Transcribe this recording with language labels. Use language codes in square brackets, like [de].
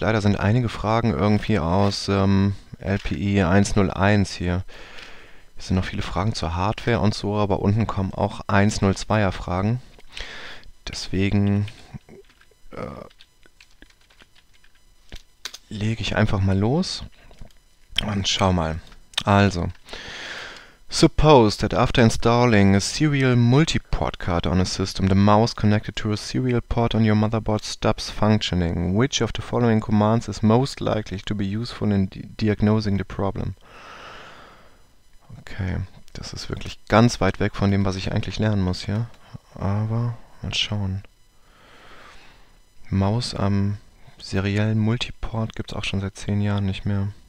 [de] Leider sind einige Fragen irgendwie aus LPI 101 hier. Es sind noch viele Fragen zur Hardware und so, aber unten kommen auch 102er Fragen. Deswegen lege ich einfach mal los und schau mal. Also. [en] Suppose that after installing a serial multiport card on a system, the mouse connected to a serial port on your motherboard stops functioning. Which of the following commands is most likely to be useful in diagnosing the problem? [de] Okay, das ist wirklich ganz weit weg von dem, was ich eigentlich lernen muss, ja? Aber mal schauen. Maus am seriellen Multiport gibt es auch schon seit 10 Jahren nicht mehr.